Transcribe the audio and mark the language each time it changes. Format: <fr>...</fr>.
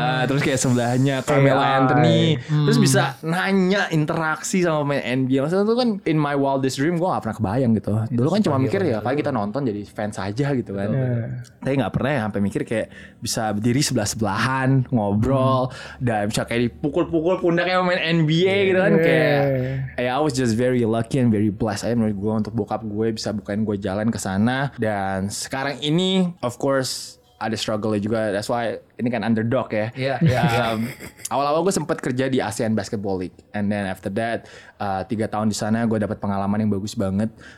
<id>Terus kayak sebelahnya Carmelo Anthony. Terus bisa nanya interaksi sama pemain NBA. Maksudnya itu kan</id> <en>in my wildest dream</en> <id>gue gak pernah kebayang gitu. Dulu kan cuma mikir ya paling kita nonton jadi fans aja gitu kan. Yeah. Tapi gak pernah ya sampai mikir kayak bisa berdiri sebelah-sebelahan, ngobrol, dan bisa kayak dipukul-pukul pundaknya pemain NBA gitu kan.</id> <en>Kayak I was just very lucky and very blessed.</en> <id>Menurut gue untuk bokap gue bisa bukain gue jalan ke sana. Dan sekarang ini of course ada struggle juga,</id> <en>that's why</en> <id>ini kan underdog ya. Awal-awal gue sempat kerja di ASEAN Basketball League,</id> <en>and then after that</en> <id>3 tahun di sana gue dapat pengalaman yang bagus banget.</id>